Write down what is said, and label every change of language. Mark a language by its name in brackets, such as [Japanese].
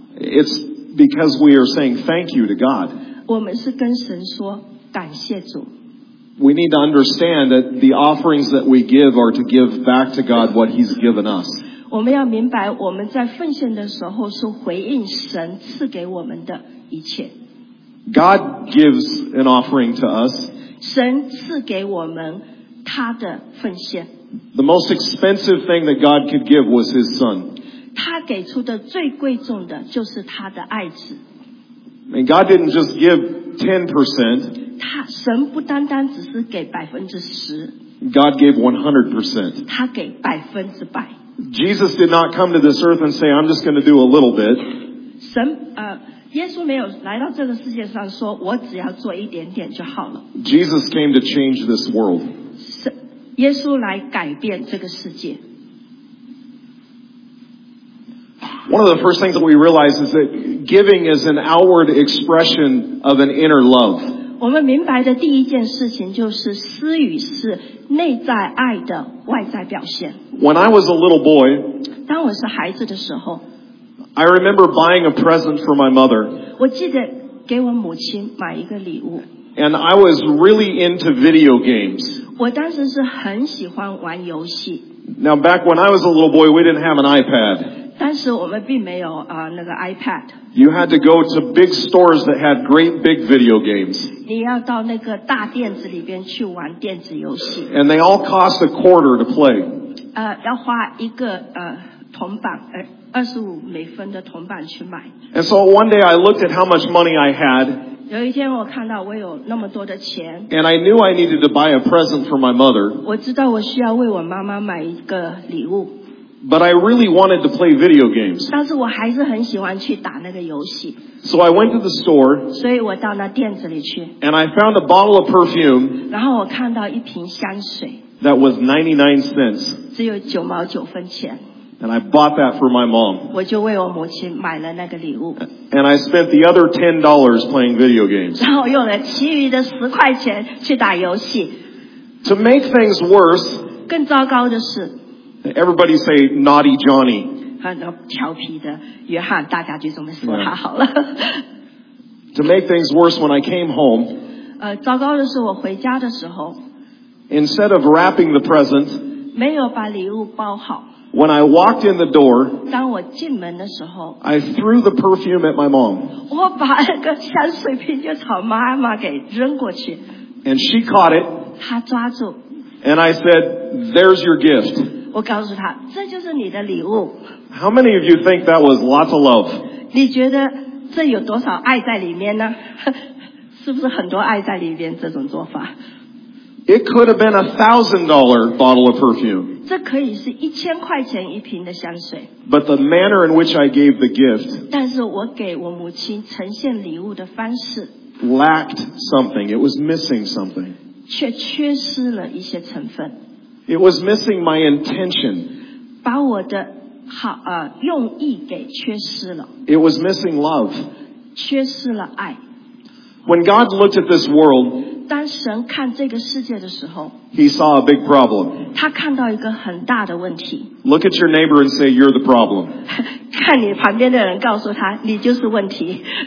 [English] It's because we are saying thank you to God. [Chinese] 我们是跟神说感谢主。 [English] We need to understand that the offerings that we give are to give back to God what He's given us. [Chinese] 我们要明白我们在奉献的时候是回应神赐给我们的一切。 [English] God gives an offering to us. [Chinese] 神赐给我们他的奉献。 [English] The most expensive thing that God could give was His Son. [Chinese] 他给出的最贵重的就是他的爱子。 [English] And God didn't just give 10%. [Chinese] 神不单单只是给 10%. [English] God gave 100%. [Chinese] 他给100%. [English] Jesus did not come to this earth and say, I'm just going to do a little bit. [Chinese] 神耶稣没有来到这个世界上说我只要做一点点就好了。 [English] Jesus came to change this world. [Chinese] 神耶稣来改变这个世界。 [English] One of the first things that we realize is that giving is an outward expression of an inner love. [Chinese] 我们明白的第一件事情就是施予是内在爱的外在表现。 [English] When I was a little boy, [Chinese] 当我是孩子的时候 [English] I remember buying a present for my mother. [Chinese] 我记得给我母亲买一个礼物。 [English] And I was really into video games. [Chinese] 我当时是很喜欢玩游戏。 [English] Now back when I was a little boy, we didn't have an iPad. [Chinese] 当时我们并没有那个 iPad. [English] You had to go to big stores that had great big video games. [Chinese] 你要到那个大店子里边去玩电子游戏。 [English] And they all cost a quarter to play. [Chinese] 要花一个铜板25美分的铜板去买。 [English] And so one day I looked at how much money I had. [Chinese] 有一天我看到我有那么多的钱 [English] And I knew I needed to buy a present for my mother. [Chinese] 我知道我需要为我妈妈买一个礼物。 [English] But I really wanted to play video games. [Chinese] 但是我还是很喜欢去打那个游戏。 [English] So I went to the store. [Chinese] 所以我到那店子里去。 [English] And I found a bottle of perfume. [Chinese] 然后我看到一瓶香水。 [English] That was 99 cents. [Chinese] 只有九毛九分钱。 [English] And I bought that for my mom. [Chinese] 我就为我母亲买了那个礼物。 [English] And I spent the other $10 playing video games. [Chinese] 然后用了其余的十块钱去打游戏。 [English] To make things worse. [Chinese] 更糟糕的是。 [English] Everybody say naughty Johnny. [Chinese] 调皮的约翰，大家就这么说他好了。 [English] To make things worse, when I came home. [Chinese] 糟糕的是我回家的时候。 [English] Instead of wrapping the present. [Chinese] 没有把礼物包好。 [English] When I walked in the door, [Chinese] 当我进门的时候, [English] I threw the perfume at my mom. [Chinese] 我把那个香水瓶就朝妈妈给扔过去。 [English] And she caught it. [Chinese] 她抓住。 [English] And I said, "There's your gift." [Chinese] 我告诉她，这就是你的礼物。 [English] How many of you think that was lots of love? [Chinese] 你觉得这有多少爱在里面呢？是不是很多爱在里面？这种做法。 [English] It could have been a $1,000 bottle of perfume. [Chinese] 这可以是一千块钱一瓶的香水。 [English] But the manner in which I gave the gift. [Chinese] 但是我给我母亲呈现礼物的方式。 [English] Lacked something. It was missing something. [Chinese] 却缺失了一些成分。 [English] It was missing my intention. [Chinese] 把我的好用意给缺失了。 [English] It was missing love. [Chinese] 缺失了爱。 [English] When God looked at this world. [Chinese] 当神看这个世界的时候， [English] He saw a big problem. [Chinese] 他看到一个很大的问题。 [English] Look at your neighbor and say, "You're the problem." [Chinese] 看你旁边的人，告诉他，你就是问题。